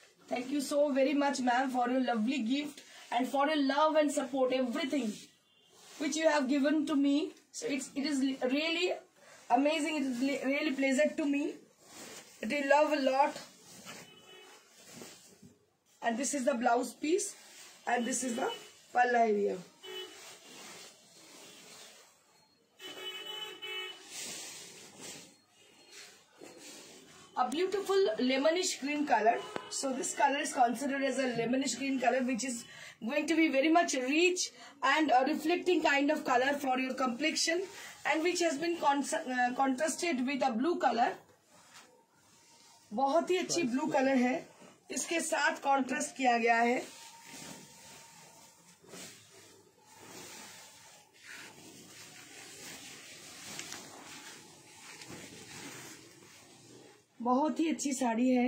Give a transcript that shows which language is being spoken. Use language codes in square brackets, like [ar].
[en] Thank you so very much ma'am for your lovely gift and for your love and support everything which you have given to me so it is really amazing it is really pleasure to me They love a lot. And this is the blouse piece. And this is the palla area. A beautiful lemonish green color. So this color is considered as a lemonish green color, which is going to be very much rich and a reflecting kind of color for your complexion. And which has been contrasted with a blue color. [hi] बहुत ही अच्छी blue colour है इसके साथ contrast किया गया है बहुत ही अच्छी साड़ी है